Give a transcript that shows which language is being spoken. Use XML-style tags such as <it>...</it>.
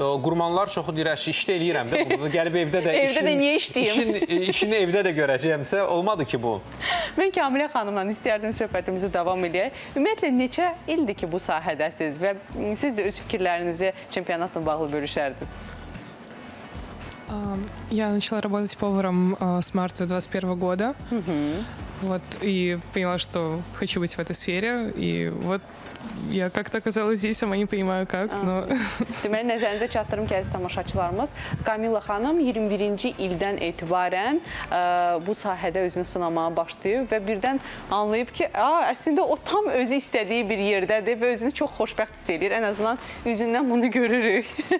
<az>Adətən, qurmanlar çoxu deyirək ki, işdə eləyirəm. Gəlib evdə də işini evdə də görəcəyəmsə, olmadı ki bu. Mən Kamilə xanımdan istəyərdim söhbətimizi davam edək. Ümumiyyətlə, neçə ildir ki bu sahədəsiniz və siz də öz fikirlərinizi çempionatla bağlı bölüşərdiniz?</az> <ru>Я начала работать поваром с марта 21 года. Вот, и поняла, что хочу быть в этой сфере. И вот я как-то оказалась здесь, сама не понимаю как, но...</ru> <az>Deməli, nəzərinizə çatdırım ki, əziz tamaşaçılarımız, Kamilə xanım 21-ci ildən etibarən bu sahədə özünü sınamağa başlayıb və birdən anlayıb ki, əslində o tam özü istədiyi bir yerdədir və özünü çox xoşbəxt hiss edir. Ən azından üzündən bunu görürük.</az>